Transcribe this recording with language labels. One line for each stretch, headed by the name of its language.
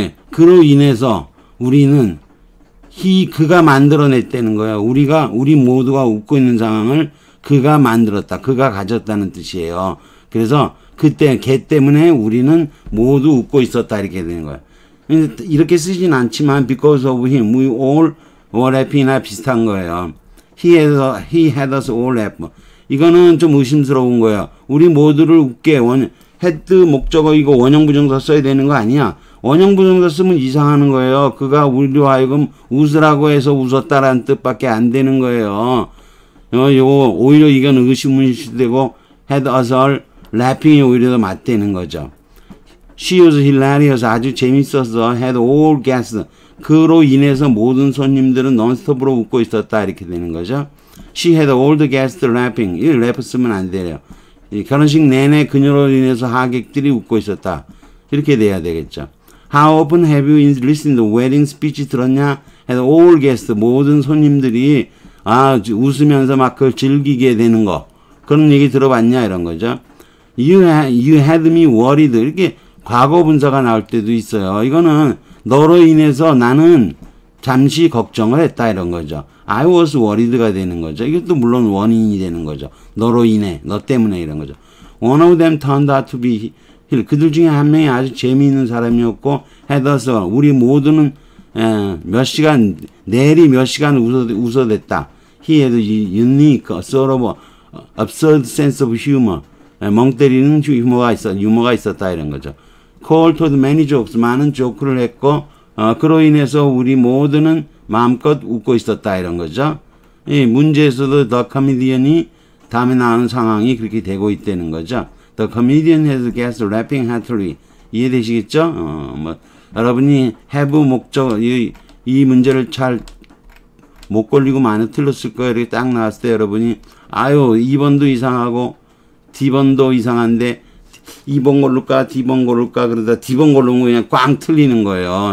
Korean: 그로 인해서 우리는 그가 만들어냈다는 거야. 우리 모두가 웃고 있는 상황을 그가 만들었다. 그가 가졌다는 뜻이에요. 그래서 그때 걔 때문에 우리는 모두 웃고 있었다 이렇게 되는 거야. 이렇게 쓰진 않지만
English: because of him we all were happy
Korean: 나 비슷한 거예요.
English: He had us all happy.
Korean: 이거는 좀 의심스러운 거예요. 우리 모두를 웃게 had 목적어 이거 원형 부정사 써야 되는 거 아니야? 원형 부정사 쓰면 이상하는 거예요. 그가 우리로 하여금 웃으라고 해서 웃었다라는 뜻밖에 안 되는 거예요. 오히려 이건 의심문이 되고
English: had us all laughing
Korean: 이 오히려 더 맞대는 거죠.
English: She was hilarious.
Korean: 아주 재밌었어.
English: Had all guests.
Korean: 그로 인해서 모든 손님들은 non-stop으로 웃고 있었다. 이렇게 되는 거죠.
English: She had all the guests laughing.
Korean: 이 래프 쓰면 안 되네요. 결혼식 내내 그녀로 인해서 하객들이 웃고 있었다. 이렇게 돼야 되겠죠.
English: How often have you listened to wedding speech
Korean: 들었냐? 해서 올 게스트 모든 손님들이 아 웃으면서 막 그걸 즐기게 되는 거 그런 얘기 들어봤냐 이런 거죠.
English: You had me worried.
Korean: 이렇게 과거 분사가 나올 때도 있어요. 이거는 너로 인해서 나는 잠시 걱정을 했다 이런 거죠.
English: I was worried
Korean: 가 되는 거죠. 이것도 물론 원인이 되는 거죠. 너로 인해 너 때문에 이런 거죠.
English: One of them turned out to be
Korean: 그들 중에 한 명이 아주 재미있는 사람이었고
English: had us all
Korean: 우리 모두는 몇 시간 내리 몇 시간 웃어댔다.
English: He had a unique sort of absurd sense of humor
Korean: 멍때리는 유머가 있었다 이런 거죠.
English: Cole told many jokes
Korean: 많은 조크를 했고 그로 인해서 우리 모두는 마음껏 웃고 있었다 이런 거죠. 이 문제에서도 The Comedian이 다음에 나오는 상황이 그렇게 되고 있다는 거죠.
English: The comedian has guessed rapping heartily.
Korean: 이해되시겠죠? 뭐, 여러분이 have 목적, 이 문제를 잘 못 걸리고 많이 틀렸을 거예요. 이렇게 딱 나왔을 때 여러분이, 아유, 2번도 이상하고, D번도 이상한데, D번 고를까, D번 고를까, 그러다 D번 고르면 그냥 꽝 틀리는 거예요.